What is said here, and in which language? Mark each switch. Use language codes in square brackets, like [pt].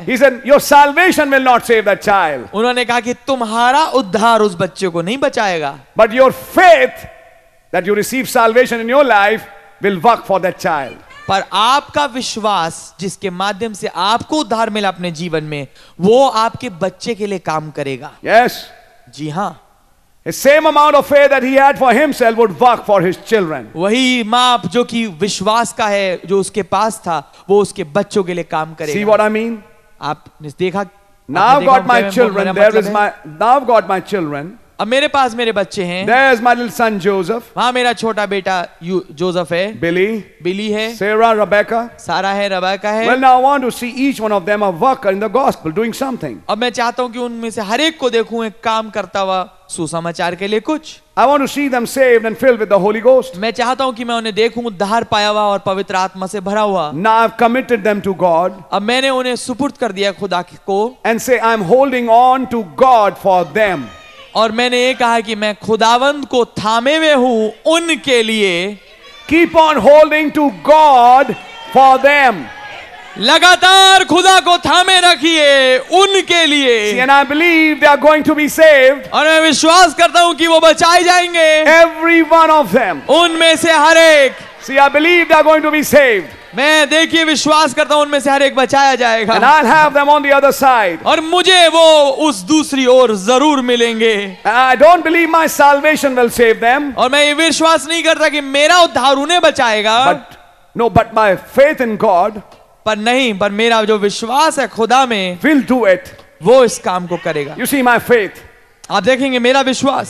[en] He said, "Your salvation will not save that child." [hi] उन्होंने कहा कि तुम्हारा उद्धार उस बच्चे को नहीं बचाएगा. [en] But your faith that you receive salvation in your life. Will work for that child. [hi] पर आपका विश्वास जिसके माध्यम से आपको उद्धार मिला अपने जीवन में वो आपके बच्चे के लिए काम करेगा. [en] Yes. [hi] जी हाँ. [en] The same amount of faith that he had for himself would work for his children. [hi] वही माप जो कि विश्वास का है जो उसके पास था वो उसके बच्चों के लिए काम करेगा. [en] See what I mean? [hi] आपने देखा. [en] Now got my children. There is my. Now got my children. [hi] अब मेरे पास मेरे बच्चे हैं. [en] There is my little son Joseph. [hi] वहाँ मेरा छोटा बेटा जोसेफ है. [en] Billy. [hi] Billy है. [en] Sarah, Rebecca. [hi] सारा है, रबेका है. [en] Well, now I want to see each one of them a worker in the gospel, doing something. [hi] अब मैं चाहता हूँ कि उनमें से हर एक को देखूँ एक काम करता हुआ सुसमाचार के लिए कुछ. [en] I want to see them saved and filled with the Holy Ghost. [hi] मैं चाहता हूँ कि मैं उन्हें देखूँ उद्धार पाया हुआ और पवित्र आत्मा से भरा हुआ. [en] Now I've committed them to God. [hi] अब मैंने उन्हें सुपुर्द कर दिया खुदा को. [en] And say I'm holding on to God for them. [hi] और मैंने ये कहा कि मैं खुदावंद को थामे हुए हूं उनके लिए. [en] Keep on holding to God for them. [hi] लगातार खुदा को थामे रखिए उनके लिए. [en] See, and I believe they are going to be saved. [hi] और मैं विश्वास करता हूं कि वो बचाए जाएंगे. [en] Every one of them. [hi] उनमें से हर एक. [en] See, I believe they are going to be saved. [hi] मैं देखिए विश्वास करता हूं उनमें से हर एक बचाया जाएगा. [en] And I'll have them on the other side. [hi] और मुझे वो उस दूसरी ओर जरूर मिलेंगे. [en] I don't believe my salvation will save them. [hi] और मैं ये विश्वास नहीं करता कि मेरा उद्धार उन्हें बचाएगा. [en] But, no, but my faith in God. [hi] पर नहीं, पर मेरा जो विश्वास है खुदा में. [en] Will do it. [hi] वो इस काम को करेगा. [en] You see my faith. [hi] आप देखेंगे मेरा विश्वास.